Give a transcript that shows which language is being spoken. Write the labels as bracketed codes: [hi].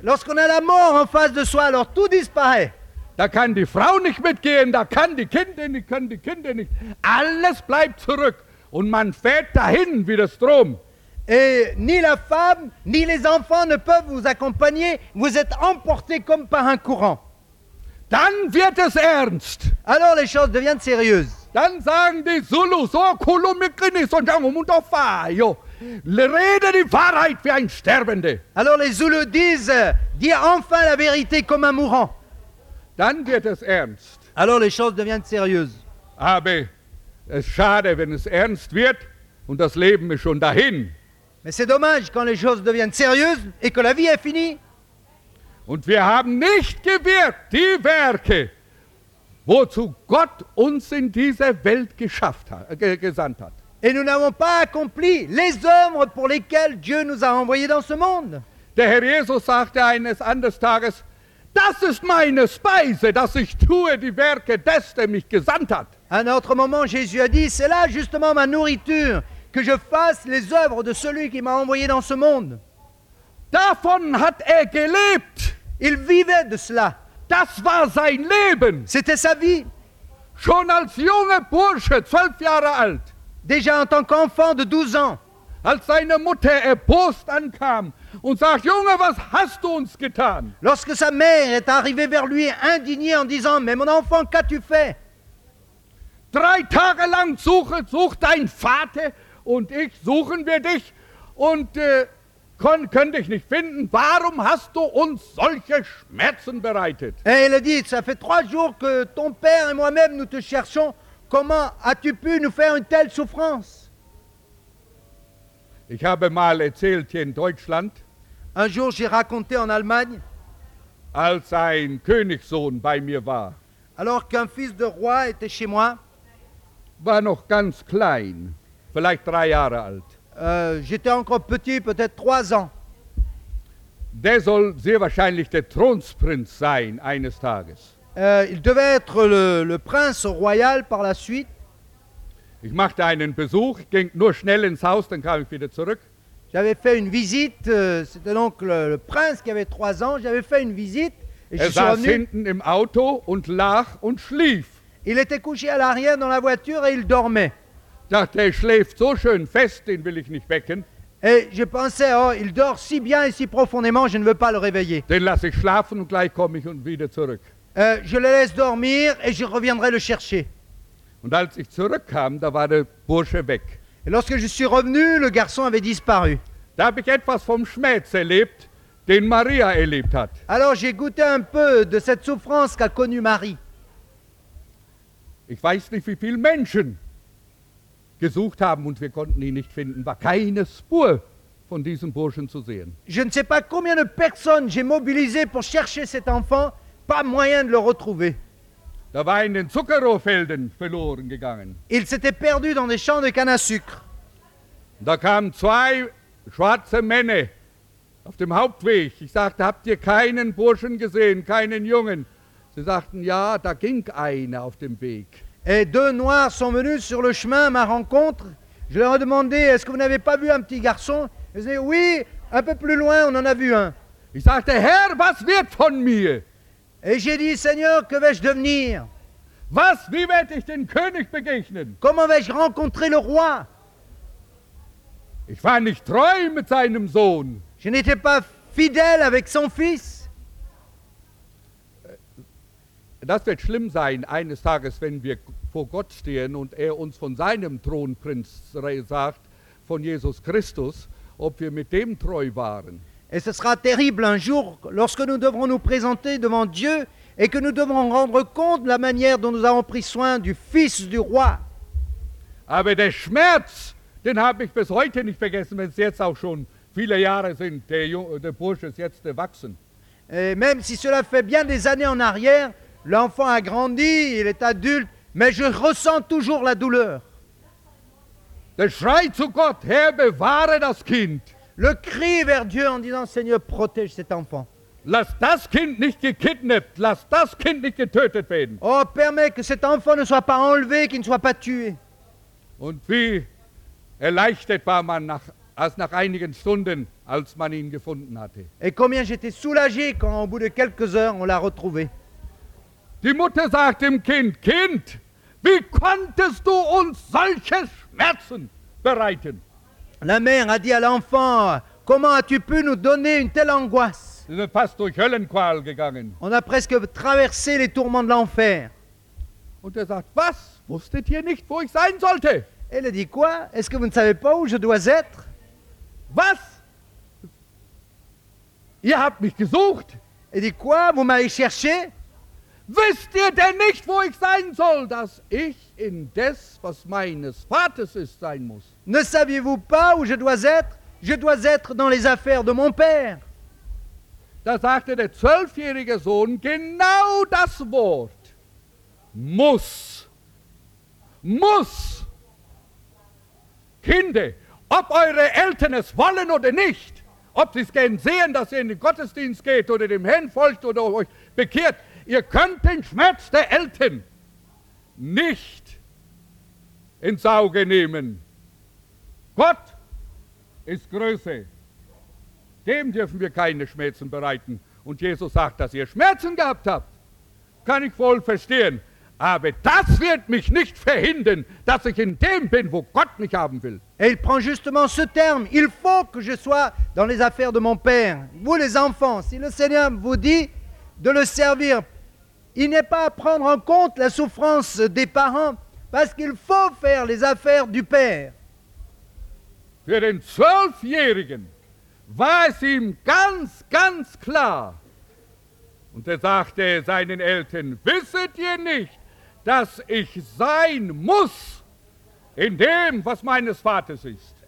[fr] Lorsqu'on a la mort en face de soi, alors tout disparaît. [de] Da kann die Frau nicht mitgehen, da kann die Kinder nicht, können die Kinder nicht. Alles bleibt zurück und man fährt dahin wie der Strom. [fr] Et ni la femme, ni les enfants ne peuvent vous accompagner. Vous êtes emportés comme par un courant. [de] Dann wird es ernst. [fr] Alors les choses deviennent sérieuses. [de] Dann sagen die Zulus, oh, [zu] Kulumikini, Sonjangumutofa, [de] yo. Rede die Wahrheit wie ein Sterbende. [fr] Alors les Zulus disent, dis enfin la vérité comme un mourant. [de] Dann wird es ernst. [fr] Alors les choses deviennent sérieuses. [de] Aber es ist schade, wenn es ernst wird und das Leben ist schon dahin. [fr] Mais c'est dommage quand les choses deviennent sérieuses et que la vie est finie. [de] Und wir haben nicht gewirkt die Werke, wozu Gott uns in dieser Welt gesandt hat. [fr] Et nous n'avons pas accompli les œuvres pour lesquelles Dieu nous a envoyés dans ce monde. [de] Der Herr Jesus sagte eines anderen Tages, das ist meine Speise, dass ich tue die Werke des, der mich gesandt hat. [fr] À un autre moment, Jésus a dit, c'est là justement ma nourriture, que je fasse les œuvres de celui qui m'a envoyé dans ce monde. [de] Davon hat er gelebt. [fr] Il vivait de cela. [de] Das war sein Leben. [fr] C'était sa vie. [de] Schon als junger Bursche, 12 Jahre alt. [fr] Déjà en tant qu'enfant de 12 ans. [de] Als seine Mutter erbost ankam und sagt, Junge, was hast du uns getan? [fr] Lorsque sa mère est arrivée vers lui indignée en disant, mais mon enfant, qu'as-tu fait? [de] 3 Tage lang sucht dein Vater und ich suchen wir dich und können dich nicht finden. Warum hast du uns solche Schmerzen bereitet? [fr] Hey, Elodie, ça fait 3 jours que ton père et moi-même nous te cherchons. Comment as-tu pu nous faire une telle souffrance? [de] Ich habe mal erzählt hier in Deutschland. [fr] Un jour, j'ai raconté en Allemagne. [de] Als ein Königssohn bei mir war. [fr] Alors qu'un fils de roi était chez moi. [de] War noch ganz klein, vielleicht 3 Jahre alt. [fr] J'étais encore petit, peut-être 3 ans. [de] Der soll sehr wahrscheinlich der Thronprinz sein eines Tages. [fr] Il devait être le prince royal par la suite. [de] Ich machte einen Besuch, ging nur schnell ins Haus, dann kam ich wieder zurück. [fr] J'avais fait une visite, c'était donc le prince qui avait 3 ans, j'avais fait une visite. [de] Et er saß hinten im Auto und lag und schlief. [fr] Il était couché à l'arrière dans la voiture et il dormait. [de] Dachte, er schläft so schön fest, den will ich nicht wecken. [fr] Et je pensais, oh, il dort si bien et si profondément, je ne veux pas le réveiller. [de] Den lasse ich schlafen und gleich komme ich wieder zurück. [fr] Je le laisse dormir et je reviendrai le chercher. [de] Und als ich zurückkam, da war der Bursche weg. [fr] Et lorsque je suis revenu, le garçon avait disparu. [de] Da habe ich etwas vom Schmerz erlebt, den Maria erlebt hat. [fr] Alors j'ai goûté un peu de cette souffrance qu'a connue Marie. [de] Ich weiß nicht, wie viele Menschen gesucht haben und wir konnten ihn nicht finden. War keine Spur von diesem Burschen zu sehen. [fr] Je ne sais pas combien de personnes j'ai mobilisé pour chercher cet enfant. Pas moyen de le retrouver. [de] Da war in den Zuckerrohrfeldern verloren gegangen. [fr] Il s'était perdu dans des champs de canne à sucre. [de] Da kamen 2 schwarze Männer auf dem Hauptweg. Ich sagte, habt ihr keinen Burschen gesehen, keinen Jungen? Sie sagten, ja, da ging einer auf dem Weg. [fr] Et 2 Noirs sont venus sur le chemin à ma rencontre. Je leur ai demandé, est-ce que vous n'avez pas vu un petit garçon? Ils disaient, oui, un peu plus loin, on en a vu un. [de] Ich sagte, Herr, was wird von mir? [fr] Et j'ai dit, Seigneur, que vais-je devenir? [de] Was, wie werde ich den König begegnen? [fr] Comment vais-je rencontrer le roi? [de] Ich war nicht treu mit seinem Sohn. [fr] Je n'étais pas fidèle avec son fils. [de] Das wird schlimm sein, eines Tages, wenn wir vor Gott stehen und er uns von seinem Thronprinz sagt, von Jesus Christus, ob wir mit dem treu waren. [fr] Et ce sera terrible un jour lorsque nous devrons nous présenter devant Dieu et que nous devrons rendre compte de la manière dont nous avons pris soin du fils du roi. [de] Aber der Schmerz, den habe ich bis heute nicht vergessen, wenn es jetzt auch schon viele Jahre sind, der Bursche ist jetzt erwachsen. [fr] Et même si cela fait bien des années en arrière, l'enfant a grandi, il est adulte, mais je ressens toujours la douleur. [de] Der Schrei zu Gott, Herr, bewahre das Kind. [fr] Le cri vers Dieu en disant, Seigneur, protège cet enfant. [de] Lass das Kind nicht gekidnappt, lass das Kind nicht getötet werden. [fr] Oh, permets que cet enfant ne soit pas enlevé, qu'il ne soit pas tué. [de] Und wie erleichtert war man nach einigen Stunden, als man ihn gefunden hatte. [fr] Et combien j'étais soulagé quand au bout de quelques heures on l'a retrouvé. [de] Die Mutter sagt dem Kind, Kind, wie konntest du uns solche Schmerzen bereiten? [fr] La mère a dit à l'enfant, comment as-tu pu nous donner une telle angoisse? [de] Wir sind fast durch Höllenqual gegangen. [fr] On a presque traversé les tourments de l'enfer. [de] Und sagt, was? Wusstet ihr nicht, wo ich sein sollte? [fr] Elle a dit, quoi? Est-ce que vous ne savez pas où je dois être? [de] Was? Ihr habt mich gesucht. [fr] Elle dit, quoi? Vous m'avez cherché? [de] Wisst ihr denn nicht, wo ich sein soll, dass ich in das, was meines Vaters ist, sein muss? [fr] Ne saviez-vous pas où je dois être? Je dois être dans les affaires de mon père. [de] Da sagte der 12-jährige Sohn genau das Wort. Muss. Muss. Kinder, ob eure Eltern es wollen oder nicht, ob sie es gern sehen, dass ihr in den Gottesdienst geht oder dem Herrn folgt oder euch bekehrt, ihr könnt den Schmerz der Eltern nicht ins Auge nehmen. Gott ist Größe. Dem dürfen wir keine Schmerzen bereiten. Und Jesus sagt, dass ihr Schmerzen gehabt habt, kann ich wohl verstehen. Aber das wird mich nicht verhindern, dass ich in dem bin, wo Gott mich haben will. [fr] Et il prend justement ce terme. Il faut que je sois dans les affaires de mon père. Vous les enfants, si le Seigneur vous dit de le servir, il n'est pas à prendre en compte la souffrance des parents. parce qu'il faut faire les affaires du Père. [de] Für den Zwölfjährigen war es ihm ganz, ganz klar. Und er sagte seinen Eltern, wisset ihr nicht, dass ich sein muss in dem, was meines Vaters ist?